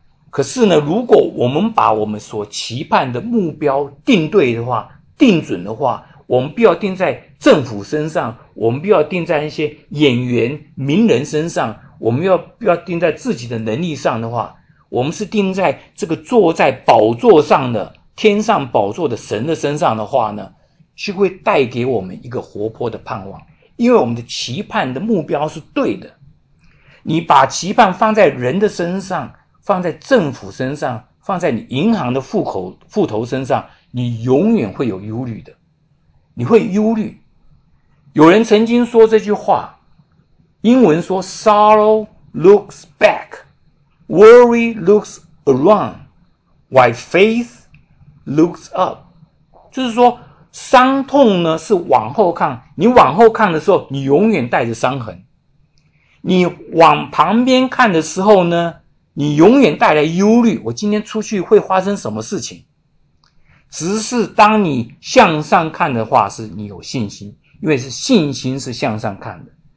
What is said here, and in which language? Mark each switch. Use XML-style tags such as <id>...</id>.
<zh>可是呢，如果我们把我们所期盼的目标定对的话，定准的话，我们不要定在政府身上，我们不要定在那些演员名人身上，我们要不要定在自己的能力上的话，我们是定在这个坐在宝座上的天上宝座的神的身上的话呢，就会带给我们一个活泼的盼望，因为我们的期盼的目标是对的。你把期盼放在人的身上，放在政府身上，放在你银行的户头身上，你永远会有忧虑的。你会忧虑。有人曾经说这句话，英文说</zh> <en>Sorrow looks back, worry looks around, while faith looks up.</en> <zh>就是说伤痛呢是往后看，你往后看的时候你永远带着伤痕，你往旁边看的时候呢，你永远带来忧虑，我今天出去会发生什么事情。只是当你向上看的话，是你有信心，因为是信心是向上看的。</zh>